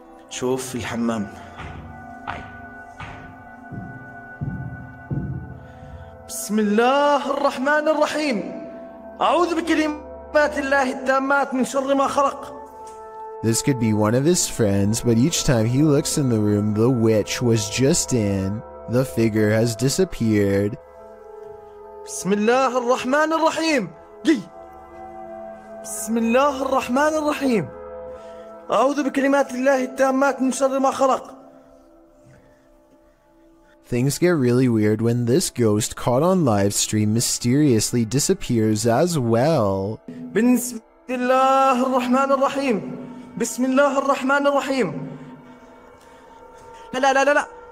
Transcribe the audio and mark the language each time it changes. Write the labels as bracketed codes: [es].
[ar] شوف الحمام بسم الله الرحمن الرحيم أعوذ بكلمات الله التامات من شر ما خلق. [en] This could be one of his friends, but each time he looks in the room the witch was just in, the figure has disappeared. [ar] بسم الله الرحمن الرحيم جي. بسم الله الرحمن الرحيم أعوذ بكلمات الله التامات من شر ما خلق. [en] Things get really weird when this ghost caught on live stream mysteriously disappears as well. [ar] بسم الله الرحمن الرحيم بسم الله الرحمن الرحيم لا لا لا لا